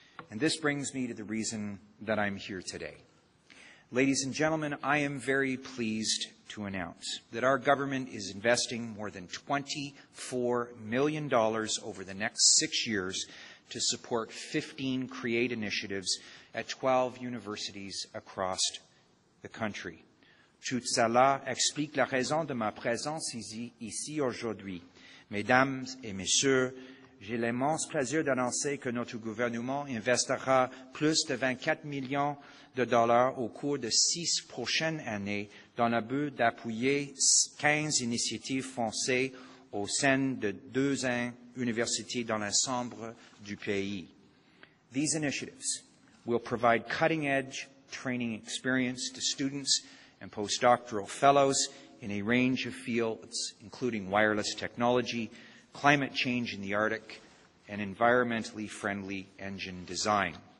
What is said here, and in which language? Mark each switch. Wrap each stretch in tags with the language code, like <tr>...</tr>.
<en>And this brings me to the reason that I'm here today. Ladies and gentlemen, I am very pleased to announce that our government is investing more than $24 million over the next 6 years to support 15 CREATE initiatives at 12 universities across the country.</en> <fr>Tout cela explique la raison de ma présence ici aujourd'hui. Mesdames et messieurs, j'ai l'immense plaisir d'annoncer que notre gouvernement investira plus de 24 millions de dollars au cours de 6 prochaines années dans le but d'appuyer 15 initiatives françaises au sein de 2 universités dans l'ensemble du pays.</fr> <en>These initiatives will provide cutting-edge training experience to students and postdoctoral fellows in a range of fields, including wireless technology, climate change in the Arctic, and environmentally friendly engine design.</en>